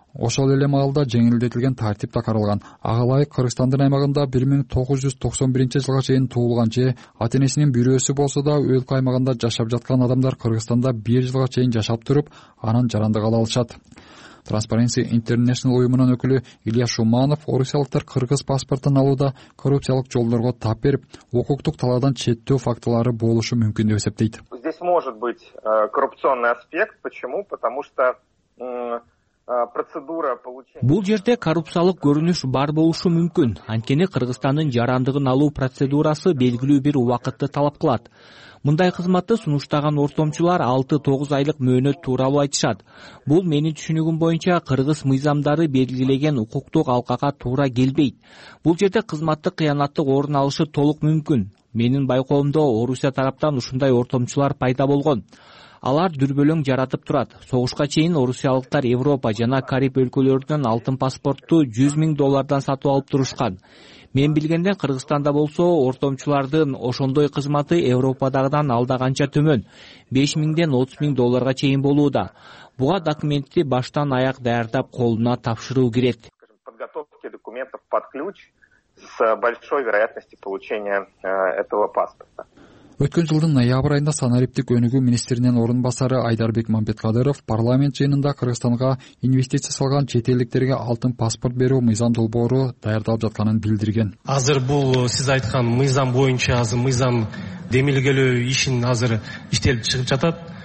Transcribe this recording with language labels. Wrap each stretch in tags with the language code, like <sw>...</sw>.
<ky>Ошол эле маалда жеңилдетилген тартип да каралган. Ага ылайык Кыргызстандын аймагында 1991 жылга чейин туулган же ата энесинин бирөөсү болсо да өлкө аймагында жашап жаткан адамдар Кыргызстанда 1 жылга чейин жашап туруп, анан жарандыгы ала алышат. Transparency International уюмунун өкүлү Илья Шуманов орусиялыктар кыргыз паспортун алууда коррупциялык жолдорго тап берип, укуктук талаадан четтөө фактылары болушу мүмкүн деп эсептейт.</ky> <ru>Здесь может быть коррупционный аспект. Почему? Потому что процедура получения.</ru> <ky>Бул жерде коррупциялык көрүнүш бар болушу мүмкүн. Анткени Кыргызстандын жарандыгын алуу процедурасы белгилүү бир убакытты талап кылат. Мындай кызматты сунуштаган ортомчулар 6-9 айлык мөөнөт тууралуу айтышат. Бул менин түшүнүгүм боюнча кыргыз мыйзамдары белгилеген укуктук алкага туура келбейт. Бул жерде кызматты кыянаттык орун алышы толук мүмкүн. Менин байкоомдо Орусия тараптан ушундай ортомчулар пайда болгон. Алар дүрбөлөң жаратып турат. Согушка чейин орусиялыктар Европа жана Кариб өлкөлөрүнөн алтын паспортту 100 000 доллардан сатып алып турушкан. Мен билгенде Кыргызстанда болсо ортомчулардын ошондой кызматы Европадагыдан алда канча төмөн. 5 000-ден 30 000 долларга чейин болууда. Буга документти баштан аяк даярдап колуна тапшыруу кирет.</ky> <ru>Подготовки документов под ключ с большой вероятностью получения этого паспорта.</ru> <ky>Өткөн жылдын ноябрь айында санариптик өнүгүү министринин орун басары Айдарбек Мамбеткадыров парламент жыйынында Кыргызстанга инвестиция салган чет элдиктерге алтын паспорт берүү мыйзам долбоору даярдалып жатканын билдирген. Азыр бул сиз айткан мыйзам боюнча азыр мыйзам демилгелөө ишин азыр иштелип чыгып жатат.</ky>